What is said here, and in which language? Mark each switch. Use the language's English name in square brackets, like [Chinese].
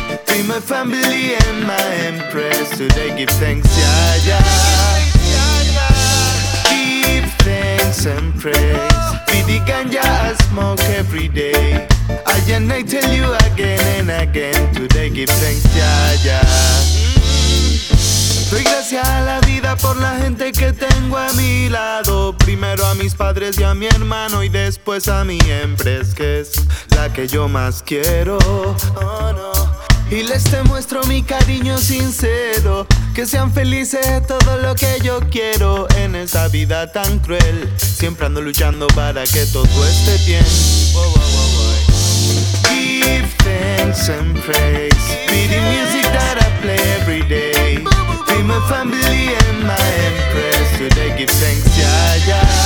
[English] To my family and my empress, today give thanks, yeah, yeah. Give thanks and praise. Be the ganja I smoke every day. I and I tell you again and again, today give thanks, yeah, yeah. [Spanish] Doy gracias a la vida por la gente que tengo a mi lado. Primero a mis padres y a mi hermano, y después a mi empres, que es la que yo más quiero. Oh, no. Y les demuestro mi cariño sincero. Que sean felices es todo lo que yo quiero. En esa vida tan cruel, siempre ando luchando para que todo esté bien. [English] Oh, oh, oh, oh. Give thanks and praise. Be the music that I play every day. Be my family and my empress. Today give thanks, yeah, yeah.